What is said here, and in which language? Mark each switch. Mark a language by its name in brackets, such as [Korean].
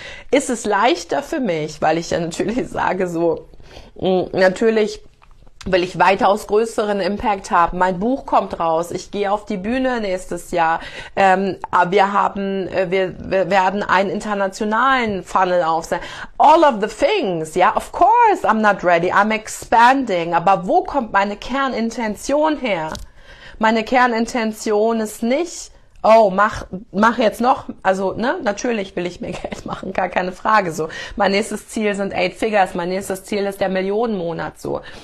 [German] Ist es leichter für mich, weil ich ja natürlich sage, so, natürlich will ich weitaus größeren Impact haben. Mein Buch kommt raus, ich gehe auf die Bühne nächstes Jahr. Wir werden einen internationalen Funnel aufsetzen. [English] All of the things, ja, yeah, of course, I'm not ready, I'm expanding. [German] Aber wo kommt meine Kernintention her? Meine Kernintention ist nicht, oh, mach jetzt noch, also, ne, natürlich will ich mir Geld machen, gar keine Frage, so. Mein nächstes Ziel sind 8 Figures, mein nächstes Ziel ist der Millionenmonat, so.